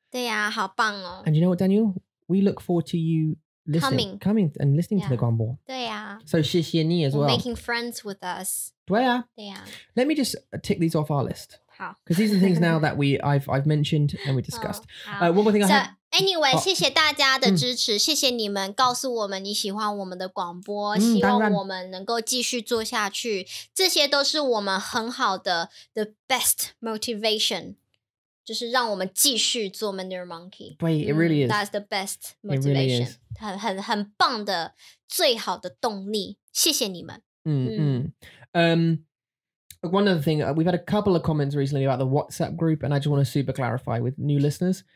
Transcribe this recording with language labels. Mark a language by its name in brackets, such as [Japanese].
[Chinese] 对呀，好棒哦。 [English] And you know what, Daniel? We look forward to you listening. Coming and listening to the 广播. [Chinese] 对呀。 [English] So [Chinese] 谢谢你 [English] as well. Making friends with us. [Chinese] 对呀。对呀。 [English] Let me just tick these off our list. Because these are things now that I've mentioned and we discussed. One more thing I have. [Chinese] Anyway, 谢谢大家的支持，谢谢你们告诉我们你喜欢我们的广播，希望我们能够继续做下去。这些都是我们很好的 [English] the best motivation, [Chinese] 就是让我们继续做 Mandarin Monkey. [English] Wait, it really is. That's the best motivation. It really is. [Chinese] 很棒的最好的动力，谢谢你们。 [English] One other thing, we've had a couple of comments recently about the WhatsApp group, and I just want to super clarify with new listeners.